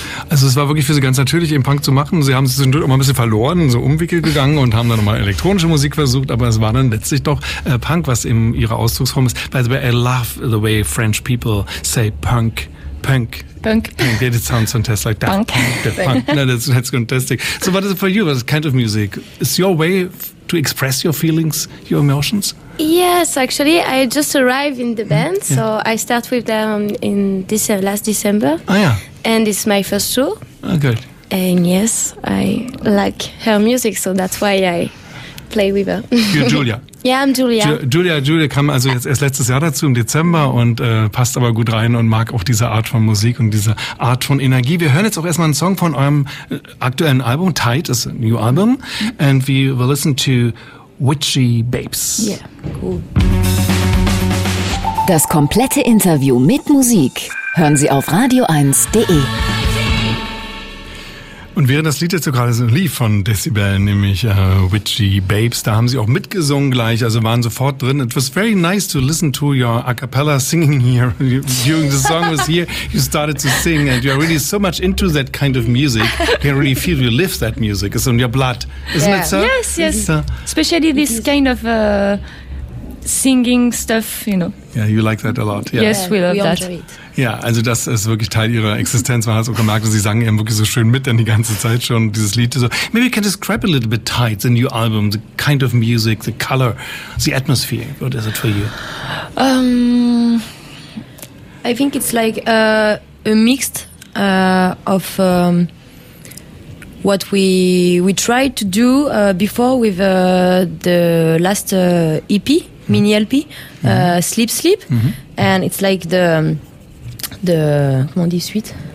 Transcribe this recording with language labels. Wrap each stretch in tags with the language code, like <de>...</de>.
<de>Also es war wirklich für sie ganz natürlich, eben Punk zu machen. Sie haben sich immer ein bisschen verloren, so umwickelt gegangen und haben dann nochmal elektronische Musik versucht, aber es war dann letztlich doch Punk, was eben ihre Ausdrucksform ist.</de> <en>By the way, I love the way French people say punk. Punk. Yeah, it sounds fantastic. Like punk. No, that's fantastic. So what is it for you? What kind of music? Is your way to express your feelings, your emotions? Yes, actually, I just arrived in the band, so I start with them in last December. Oh, yeah. And it's my first tour. Oh, good. And yes, I like her music, so that's why I play with her. You're Julia.</en> <de>Ja, Julia kam also jetzt erst letztes Jahr dazu, im Dezember, und passt aber gut rein und mag auch diese Art von Musik und diese Art von Energie. Wir hören jetzt auch erstmal einen Song von eurem aktuellen Album.</de> <en>Tight is a new album. And we will listen to Witchy Babes. Yeah, cool.</en> <de>Das komplette Interview mit Musik hören Sie auf radio1.de. Und während das Lied jetzt so gerade so lief von Decibel, nämlich Witchy Babes, da haben sie auch mitgesungen gleich, also waren sofort drin.</de> <en>It was very nice to listen to your a cappella singing here. During the song was here, you started to sing and you are really so much into that kind of music. You can really feel you live that music. It's in your blood. Isn't it so? Yes, yes. Especially this kind of singing stuff, you know. Yeah, you like that a lot. Yeah. Yes, we love that.</en> <de>Ja, also das ist wirklich Teil ihrer Existenz. Man hat es auch gemerkt, und sie sangen eben wirklich so schön mit dann die ganze Zeit schon dieses Lied.</de> <en>So, maybe you can describe a little bit Tight, the new album, the kind of music, the color, the atmosphere. What is it for you? I think it's like a mixed of what we tried to do before with the last EP, mini LP, Sleep Sleep, and it's like the</en> <fr>comment dit suite</fr>